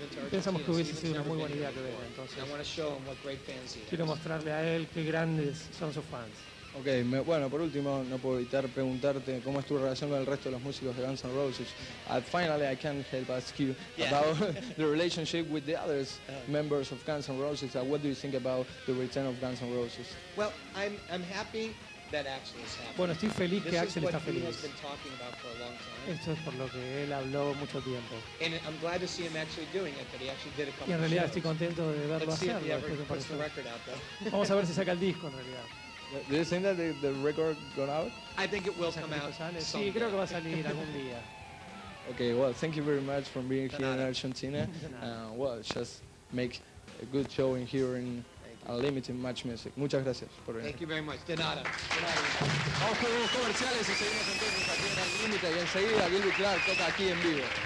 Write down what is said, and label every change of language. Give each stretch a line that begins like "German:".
Spanish: Pensamos que hubiese sido una muy buena idea que venga. Entonces, quiero mostrarle a él qué grandes son sus fans. Ok, bueno, por último, no puedo evitar preguntarte cómo es tu relación con el resto de los músicos de Guns N' Roses.
English: Finally, I can't help ask you about the relationship with the other members of Guns N' Roses. What do you think about the return of Guns N' Roses? Well, I'm happy that Axl is happy.
Spanish: Bueno, estoy feliz que Axl está feliz.
English: This is what he has been talking about for a long time.
Spanish: Esto es por lo que él habló mucho tiempo.
English: And I'm glad to see him actually doing it, that he actually did a couple
Spanish: y en realidad
English: shows.
Spanish: Estoy contento de verlo hacerlo. Vamos a ver si saca el disco, en realidad.
English: Do you think that the record got out? I think it will come out.
Spanish: Sí, creo que va a salir algún día.
English: Okay, well, thank you very much for being here in Argentina. Well, just make a good show in here in Unlimited Match Music.
Spanish: Muchas gracias por venir.
English: Thank you very much.
Spanish: De nada. Vamos con los comerciales y seguimos entonces aquí en Unlimited. Y enseguida Gilby Clark toca aquí en vivo.